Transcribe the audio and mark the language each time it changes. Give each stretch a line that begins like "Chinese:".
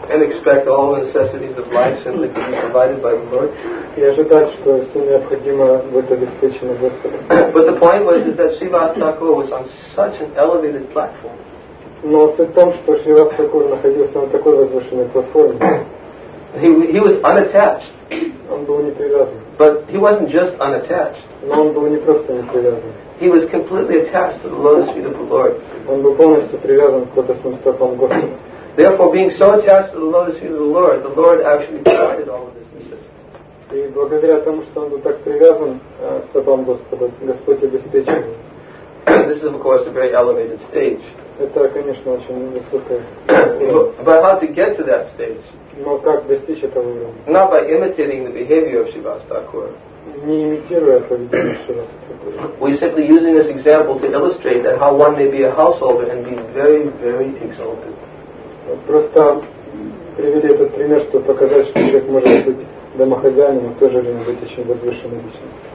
English: And expect all the necessities of life simply to be provided by the Lord.
Russian: И ожидать, что все необходимо будет обеспечено Господом.
English: But the point was is that Shrivastakura was on such an elevated platform.
Russian: Но суть в том, что Шривастакура находился на такой возвышенной платформе.
English: He was unattached.
Russian: Он был непривязан.
English: But he wasn't just unattached.
Russian: Но он был не просто непривязан.
English: He was completely attached to the lotus feet of the Lord.
Russian: Он был полностью привязан к лотосным стопам Господа.
English: Therefore, being so attached to the lotus feet of the Lord actually provided all of his necessities.
Russian: И благодаря тому, что он был так привязан к стопам Господа, Господь обеспечил его.
English: This is, of course, a very elevated stage.
Russian: Это, конечно, очень высокая.
English: But how to get to that stage?
Russian: Но как достичь этого уровня?
English: Not by imitating the behavior of Shrivastakura.
Russian: Не имитируя поведение Шривастакуры.
English: We're simply using this example to illustrate that how one may be a householder and be very, very exalted.
Russian: Просто привели этот пример, чтобы показать, что человек может быть домохозяином, но в то же время быть очень возвышенной личностью.